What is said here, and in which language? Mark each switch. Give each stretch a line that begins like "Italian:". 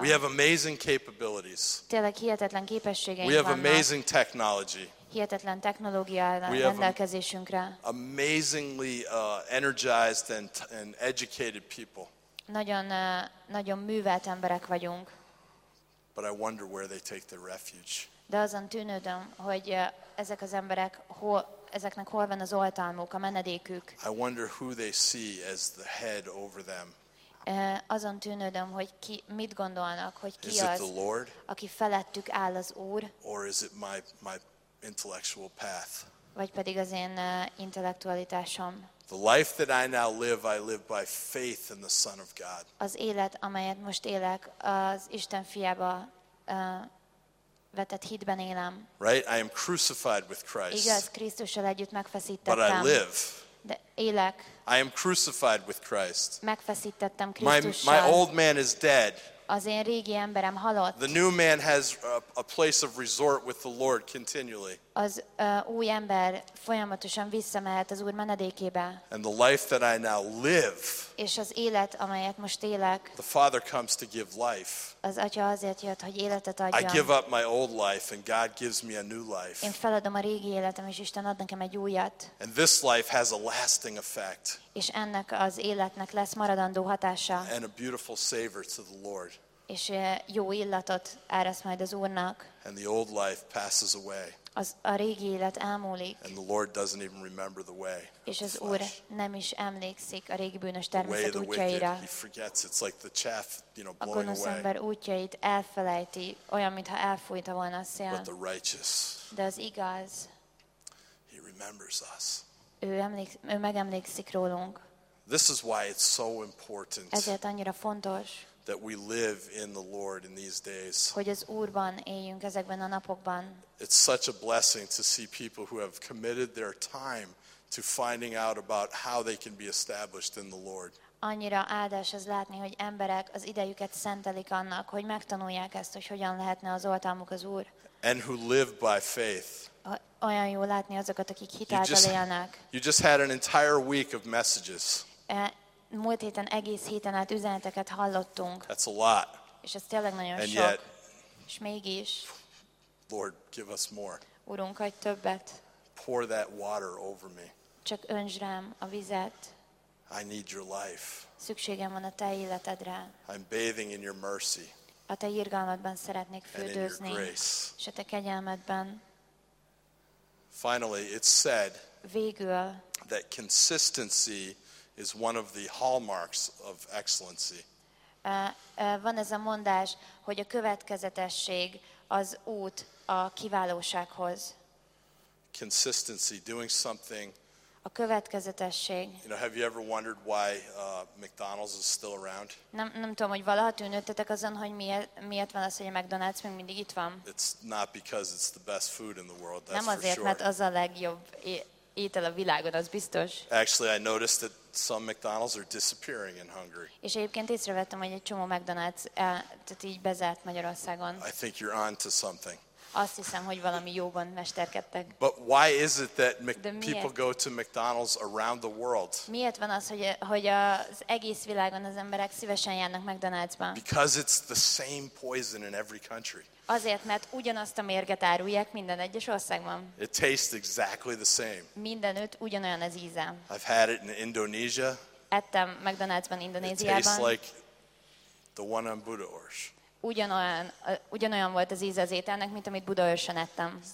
English: We have amazing capabilities.
Hungarian: Tényleg hihetetlen képességeink vannak.
English: We have amazing technology.
Hungarian: Hihetetlen technológia áll rendelkezésünkre.
English: Amazingly energized and educated people.
Hungarian: Nagyon művelt emberek vagyunk.
English: But I wonder where they take their refuge.
Hungarian: De azon tűnődöm, hogy ezek az emberek ezeknek hol van az oltalmuk, a menedékük.
English: I wonder who they see as the head over them.
Hungarian: Azon tűnődöm, hogy ki mit gondolnak, hogy ki is az, aki felettük áll az Úr,
English: or is it my intellectual path?
Hungarian: Vagy pedig az én intellektualitásom.
English: The life that I now live, I live by faith in the Son of God.
Hungarian: Az élet, amelyet most élek, az Isten fiába vetett hitben élem.
English: Right, I am crucified with Christ.
Hungarian: Igaz, Krisztussal együtt megfeszítettem.
English: But I live.
Hungarian: De élek.
English: I am crucified with Christ.
Hungarian: Megfeszítettem Krisztussal.
English: My old man is dead.
Hungarian: Az én régi emberem halott.
English: The new man has a place of resort with the Lord continually.
Hungarian: Az új ember folyamatosan visszamehet az Úr menedékébe.
English: And the life that I now live.
Hungarian: És az élet, amelyet most élek.
English: The Father comes to give life.
Hungarian: Az Atya azért jött, hogy életet adjon.
English: I give up my old life and God gives me a new life.
Hungarian: Én feladom a régi életem, és Isten ad nekem egy újat.
English: And this life has a lasting effect.
Hungarian: És ennek az életnek lesz maradandó hatása.
English: And a beautiful savor to the Lord.
Hungarian: És jó illatot áraszt majd az Úrnak.
English: And the old life passes away.
Hungarian: Az a régi élet elmúlik.
English: And the Lord doesn't even remember the way.
Hungarian: És az Úr nem is emlékszik a régi bűnös természet útjaira.
English: He forgets. It's like the chaff, you know, blowing away.
Hungarian: A gonosz ember útjait elfelejti, olyan mintha elfújta volna a szél.
English: But the righteous.
Hungarian: De az igaz.
English: He remembers us.
Hungarian: Ő megemlékszik rólunk.
English: This is why it's so important.
Hungarian: Ezért annyira fontos.
English: That we live in the Lord in these days.
Hungarian: Hogy az Úrban éljünk ezekben a napokban.
English: It's such a blessing to see people who have committed their time to finding out about how they can be established in the Lord.
Hungarian: Annyira áldás ez látni, hogy emberek az idejüket szentelik annak, hogy megtanulják ezt, hogy hogyan lehetne az oltalmuk az Úr.
English: And who live by faith.
Hungarian: Olyan jó látni azokat, akik hitáltal élnek.
English: You just had an entire week of messages.
Hungarian: Múlt héten egész héten át üzeneteket hallottunk.
English: That's a lot.
Hungarian: És ez tényleg nagyon
English: and
Hungarian: sok.
English: Yet,
Hungarian: és mégis.
English: Lord, give us more.
Hungarian: Urunk, adj többet.
English: Pour that water over me.
Hungarian: Csak öntsd rám a vizet.
English: I need your life.
Hungarian: Szükségem van a te életedre.
English: I'm bathing in your mercy.
Hungarian: A te irgalmadban szeretnék fürdőzni. És a te kegyelmedben.
English: Finally, it's said
Hungarian: végül,
English: that consistency is one of the hallmarks of excellency.
Hungarian: Van ez a mondás, hogy a következetesség az út a kiválósághoz.
English: Consistency, doing something.
Hungarian: A következetesség.
English: You know, have you ever wondered why McDonald's is still around?
Hungarian: Nem tudom, hogy valaha tűnődtetek azon, hogy miért van az, hogy a McDonald's még mindig itt van.
English: It's not because it's the best food in the world, that's for sure.
Hungarian: Nem azért, mert az a legjobb étel a világon, az biztos.
English: Actually, I noticed that some McDonald's are disappearing in Hungary.
Hungarian: És egyébként észrevettem, hogy egy csomó McDonald's tehát így bezárt Magyarországon.
English: I think you're on to something.
Hungarian: Azt hiszem, hogy valami jóban mesterkedtek.
English: But why is it that people go to McDonald's around the world?
Hungarian: Miért van az, hogy az egész világon az emberek szívesen járnak McDonald'sba?
English: Because it's the same poison in every country.
Hungarian: Azért, mert ugyanazt a mérget árulják minden egyes országban.
English: It tastes exactly the same.
Hungarian: Mindenütt ugyanolyan az íze.
English: I've had it in Indonesia.
Hungarian: Ettem McDonald'sban Indonéziában.
English: It tastes like the one on Budaörs.
Hungarian: Ugyanolyan volt az íze az ételnek, mint amit Budaörsön ettem.